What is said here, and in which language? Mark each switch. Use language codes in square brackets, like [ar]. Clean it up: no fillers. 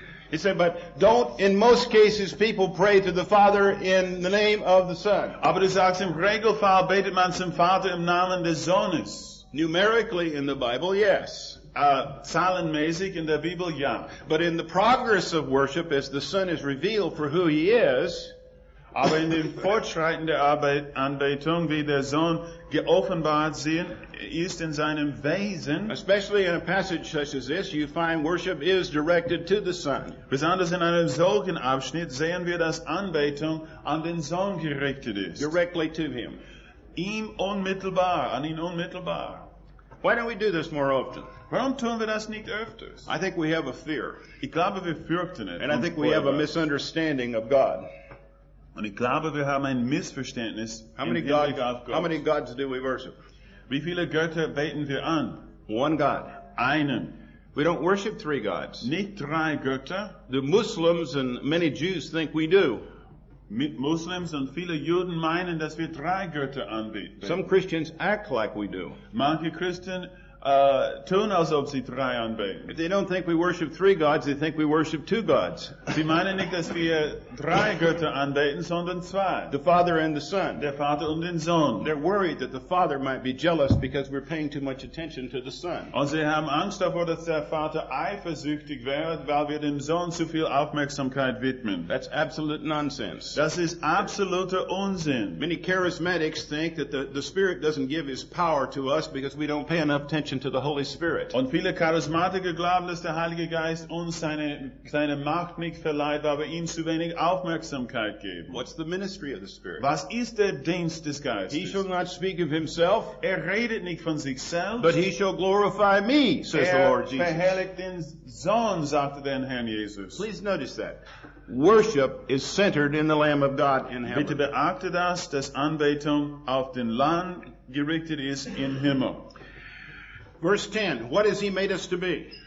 [en] He said, but don't, in most cases, people pray to the Father in the name of the Son. [de] Aber du sagst, im Regelfall betet man zum Vater im Namen des Sohnes. [en] Numerically in the Bible, yes. [de] Zahlenmäßig in der Bibel, ja. [en] But in the progress of worship, as the Son is revealed for who he is, [de] aber in dem Fortschreiten der Arbeit, Anbetung, wie der Sohn geoffenbart sehen, ist in seinem Wesen. [en] Especially in a passage such as this, you find worship is directed to the Son. [de] Besonders in einem solchen Abschnitt sehen wir, dass Anbetung an den Sohn gerichtet ist. [en] Directly to him. [de] Ihm unmittelbar, an ihn unmittelbar. [en] Why don't we do this more often? [de] Warum tun wir das nicht öfters? [en] I think we have a fear. [de] Ich glaube, wir fürchten es. [en] And I think we have a misunderstanding of God. [de] Und ich glaube, wir haben ein Missverständnis. [en] How many gods do we worship? [de] Wie viele Götter beten wir an? [en] One God. [de] Einen. [en] We don't worship three gods. [de] Nicht drei Götter. [en] The Muslims and many Jews think we do. [de] Muslims und viele Juden meinen, dass wir drei Götter anbeten. [en] Some Christians act like we do. [de] Manche Christen tun als ob sie drei anbeten. [en] If they don't think we worship three gods, they think we worship two gods. [de] Sie meinen nicht, dass wir drei Götter anbeten, sondern zwei. [en] The Father and the Son. [de] Der Vater und den Sohn. [en] They're worried that the Father might be jealous because we're paying too much attention to the Son. [de] Und sie haben Angst davor, dass der Vater eifersüchtig wird, weil wir dem Sohn zu viel Aufmerksamkeit widmen. [en] That's absolute nonsense. [de] Das ist absoluter Unsinn. [en] Many charismatics think that the Spirit doesn't give his power to us because we don't pay enough attention to the Holy Spirit. [de] Und viele Charismatiker glauben, dass der Heilige Geist uns seine Macht nicht verleiht, weil wir ihm zu wenig Aufmerksamkeit geben. [en] What's the ministry of the Spirit? [de] Was ist der Dienst des Geistes? [en] He shall not speak of himself. [de] Er redet nicht von sich selbst. [en] But he shall glorify me, says the Lord Jesus. [de] Er verherrlicht den Sohn, sagte der Herr Jesus. [en] Please notice that. Worship is centered in the Lamb of God in heaven. [de] Bitte beachte das, dass Anbetung auf den Lamm gerichtet ist in Himmel. [en] Verse 10, what has he made us to be?